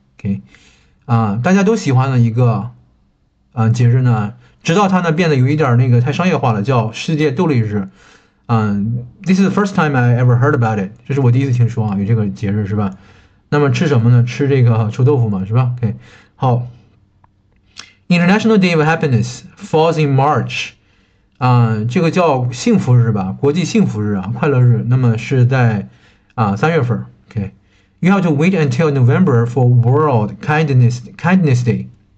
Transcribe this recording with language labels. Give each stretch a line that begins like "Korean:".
Chinese: Okay, 啊，大家都喜欢的一个节日呢，直到它呢变得有一点那个太商业化了，叫世界斗笠日。
English: This is the first time I ever heard about it.
Chinese: 这是我第一次听说啊，有这个节日是吧？那么吃什么呢？吃这个臭豆腐嘛，是吧 ？OK， 好。
English: International Day of Happiness falls in March.
Chinese: 这个叫幸福日吧，国际幸福日啊，快乐日。那么是在三月份。
English: OK， you have to wait until November for World Kindness Day.